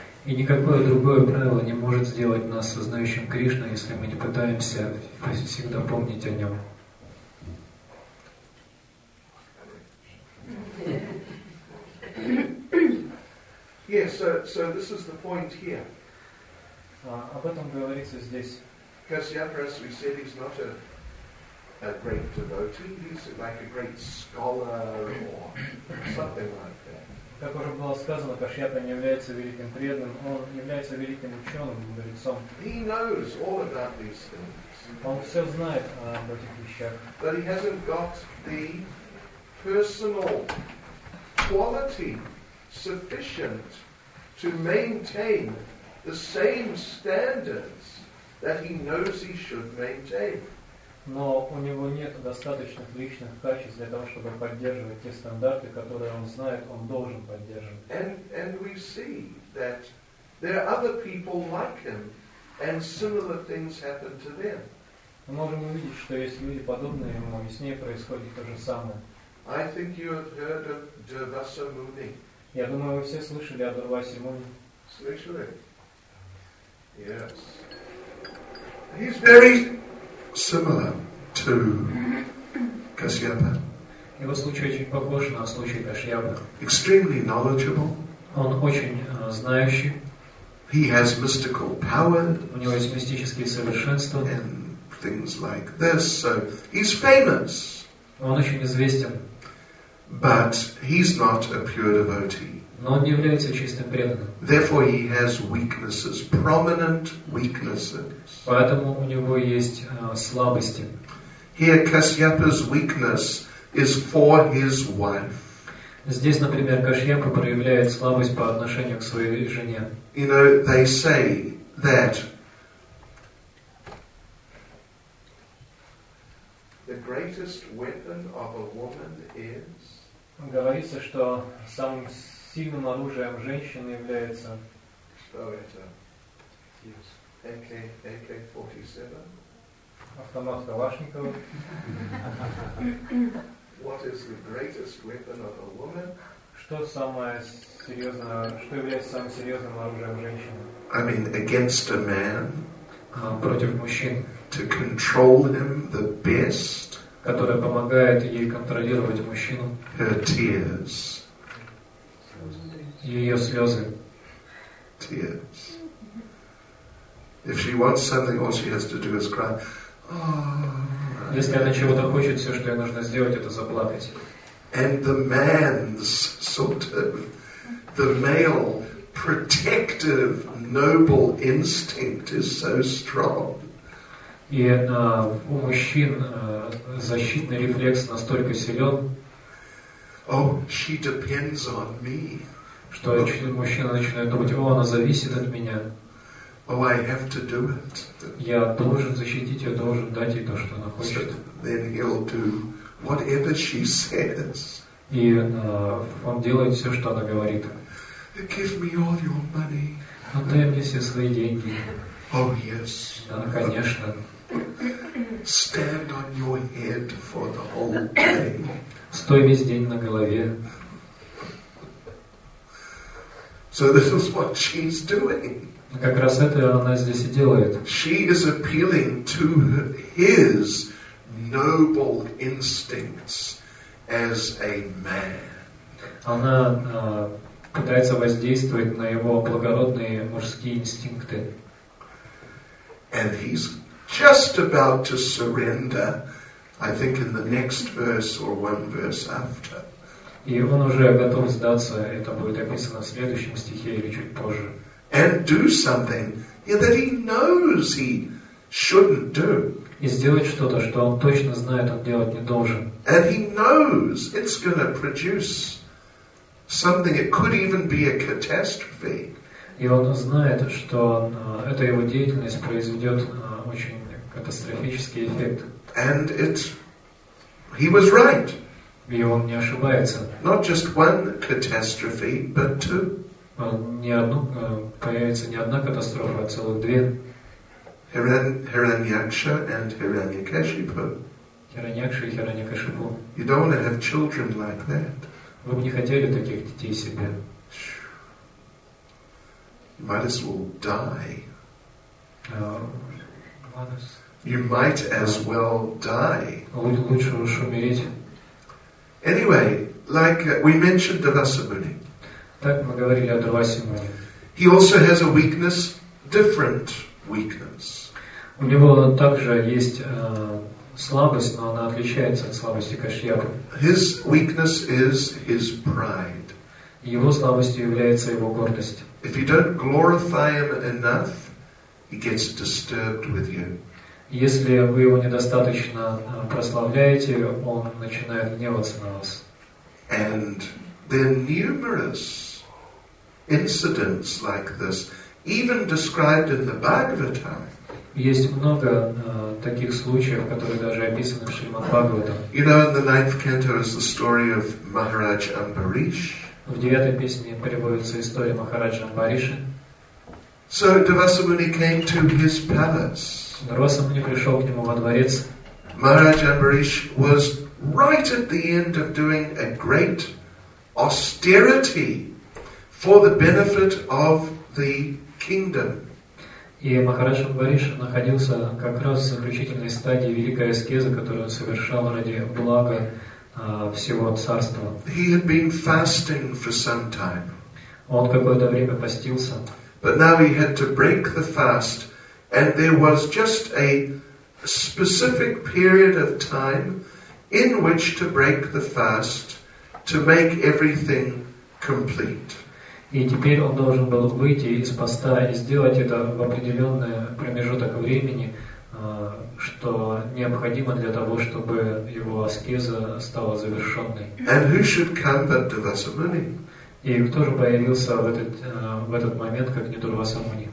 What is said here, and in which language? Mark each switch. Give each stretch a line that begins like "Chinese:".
Russian: И никакое другое правило не может сделать нас сознающим Кришну, если мы не пытаемся всегда помнить о нем.
English: Yes, so this is the point here.
Russian: Об этом говорится здесь.
English: Kasyapras, we said, he's not a great devotee. He's like a great scholar or something like that.
Russian: Как уже было сказано, Кашьяпа не является великим преданным, он является великим ученым, мудрецом.
English: He knows all about these things.
Russian: Он все знает об этих вещах.
English: But he hasn't got the personal quality sufficient to maintain the same standards that he knows he should maintain.
Russian: Но у него нет достаточных личных качеств для того, чтобы поддерживать те стандарты, которые он знает, он должен поддерживать.
English: And we see that there are other people like him, and similar things happen to them.
Russian: Мы можем увидеть, что есть люди подобные ему, и с ней происходит то же самое.
English: I think you have heard of Durvasa Muni.
Russian: Я думаю, вы все слышали о Дурвасе Муни. Слышали?
English: Yes. He's very similar to Kasyapa.
Russian: Его случай очень похож на случай Кашьяпы.
English: Extremely knowledgeable.
Russian: Он очень знающий.
English: He has mystical power.
Russian: У него есть мистические совершенства.
English: And things like this. So he's famous.
Russian: Он очень известен.
English: But he's not a pure devotee.
Russian: Но он не является чистым преданным.
English: Therefore he has weaknesses, prominent weaknesses.
Russian: Поэтому у него есть слабости.
English: Here Kasyapa's weakness is for his wife.
Russian: Здесь, например, Кашьяпа проявляет слабость по отношению к своей жене.
English: You know, they say that the greatest weapon of a woman is...
Russian: Говорится, что самым сильным оружием женщины является... Что это?
English: Yes.
Russian: AK-47. Автомат Калашникова.
English: What is the greatest weapon of a woman?
Russian: Что самое серьезное, что является самым серьезным оружием женщины?
English: I mean, against a man.
Russian: Против мужчин.
English: To control him the best.
Russian: Которая помогает ей контролировать мужчину.
English: Her tears.
Russian: Ее слезы.
English: Tears. If she wants something, all she has to do is cry.
Russian: Oh, если она чего-то хочет, все, что ей нужно сделать, это заплакать.
English: And the man's sort of the male protective noble instinct is so strong.
Russian: И у мужчин защитный рефлекс настолько силен.
English: Oh, she depends on me.
Russian: Что мужчина начинает думать: о, она зависит от меня.
English: Oh, I have to do it.
Russian: Я должен защитить ее, должен дать ей то, что она хочет.
English: Then he'll do whatever she says.
Russian: И он делает все, что она говорит.
English: Give me all your money.
Russian: Отдай мне все свои деньги.
English: Oh, yes.
Russian: Да, конечно.
English: Stand on your head for the whole day.
Russian: Стой весь день на голове.
English: So this is what she's doing.
Russian: Как раз это она здесь и делает.
English: She is appealing to his noble instincts as a man.
Russian: Она пытается воздействовать на его благородные мужские инстинкты.
English: And he's just about to surrender, I think in the next verse or one verse after.
Russian: И он уже готов сдаться, это будет описано в следующем стихе или чуть позже.
English: And do something that he knows he shouldn't do.
Russian: И сделать что-то, что он точно знает, он делать не должен.
English: And he knows it's going to produce something, it could even be a catastrophe.
Russian: И он знает, что эта его деятельность произведет очень катастрофический эффект.
English: And it's, he was right.
Russian: И он не ошибается.
English: Not just one catastrophe, but two.
Russian: Появится не одна катастрофа, а целых две.
English: Hiranyaksha and Hiranyakashipu.
Russian: Hiranyaksha и Hiranyakashipu.
English: You don't want to have children like that.
Russian: Вы бы не хотели таких детей себе.
English: You might as well die.
Russian: Ладно.
English: You might as well die.
Russian: Лучше уж умереть.
English: Anyway, like we mentioned Durvasamuni.
Russian: Так мы говорили о Дурвасимуне.
English: He also has a weakness, different weakness.
Russian: У него также есть слабость, но она отличается от слабости Кашьяпы.
English: His weakness is his pride.
Russian: Его слабостью является его гордость.
English: If you don't glorify him enough, he gets disturbed with you.
Russian: Если вы его недостаточно прославляете, он начинает гневаться на вас.
English: And there are numerous incidents like this, even described in the Bhagavatam.
Russian: Есть много таких случаев, которые даже описаны в Шримад-Бхагаватам.
English: You know, in the ninth canto is the story of Maharaj Ambarish.
Russian: В девятой песне приводится история Махараджа Амбариша.
English: So Durvasamuni came to his palace.
Russian: Дурвасамуни пришел к нему во дворец.
English: Maharaj Ambarish was right at the end of doing a great austerity for the benefit of the kingdom.
Russian: И Махарадж Амбариш находился как раз в заключительной стадии великой аскезы, которую он совершал ради блага всего царства.
English: He had been fasting for some time.
Russian: Он какое-то время постился.
English: But now he had to break the fast. And there was just a specific period of time in which to break the fast to make everything complete.
Russian: И теперь он должен был выйти из поста и сделать это в определенный промежуток времени, что необходимо для того, чтобы его аскеза стала завершенной.
English: And who should come but Durvasamuni?
Russian: И кто же появился в этот момент, как не Дурвасамуни?